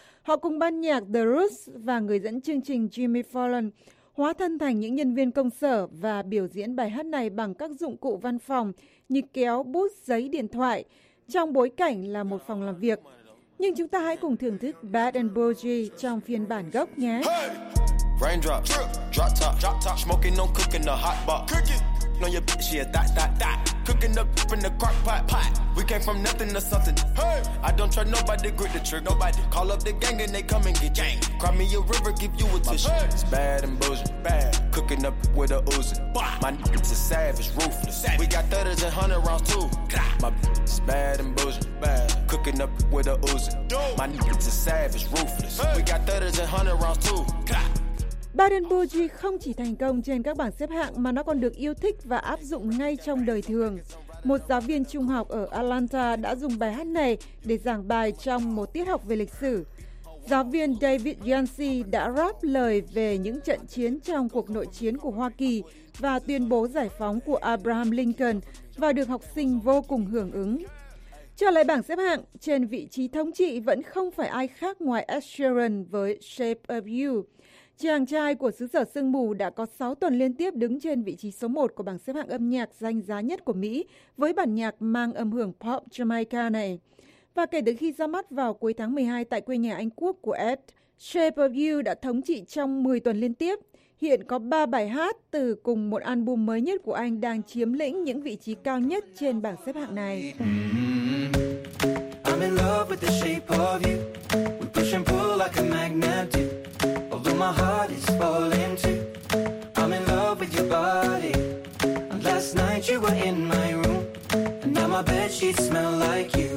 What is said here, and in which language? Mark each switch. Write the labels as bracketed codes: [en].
[vi] Họ cùng ban nhạc The Roots và người dẫn chương trình Jimmy Fallon hóa thân thành những nhân viên công sở và biểu diễn bài hát này bằng các dụng cụ văn phòng như kéo, bút, giấy, điện thoại trong bối cảnh là một phòng làm việc. Nhưng chúng ta hãy cùng thưởng thức Bad and Bougie trong phiên bản gốc nhé. [en] Raindrops, drop top, smoking on cooking the hot pot. Cooking on your bitch, yeah, that, that, that. Cooking up beef in the crock pot, pot. We came from nothing to something. Hey, I don't trust nobody, grip the trigger, nobody. Call up the gang and they come and get gang. Cry me a river, give you a tissue. Hey. It's bad and bougie, bad. Cooking up with a Uzi. Bah. My niggas is savage, ruthless. Savage. We got 30s and 100 rounds too. Gah. My bitch is bad and bougie, bad. Cooking up with a Uzi. Dude. My niggas is savage, ruthless. Hey. We got 30s and 100 rounds too. Gah. [vi] Bad and Bougie không chỉ thành công trên các bảng xếp hạng mà nó còn được yêu thích và áp dụng ngay trong đời thường. Một giáo viên trung học ở Atlanta đã dùng bài hát này để giảng bài trong một tiết học về lịch sử. Giáo viên David Yancey đã rap lời về những trận chiến trong cuộc nội chiến của Hoa Kỳ và tuyên bố giải phóng của Abraham Lincoln và được học sinh vô cùng hưởng ứng. Trở lại bảng xếp hạng, trên vị trí thống trị vẫn không phải ai khác ngoài Ed Sheeran với Shape of You. Chàng trai của xứ sở sương mù đã có 6 tuần liên tiếp đứng trên vị trí số 1 của bảng xếp hạng âm nhạc danh giá nhất của Mỹ với bản nhạc mang âm hưởng pop Jamaica này. Và kể từ khi ra mắt vào cuối tháng 12 tại quê nhà Anh Quốc của Ed, Shape of You đã thống trị trong 10 tuần liên tiếp. Hiện có 3 bài hát từ cùng một album mới nhất của anh đang chiếm lĩnh những vị trí cao nhất trên bảng xếp hạng này. [en] I'm in love with the shape of you. We push and pull like a magnet do. My heart is falling too. I'm in love with your body. And last night you were in my room. And now my bedsheets smell like you.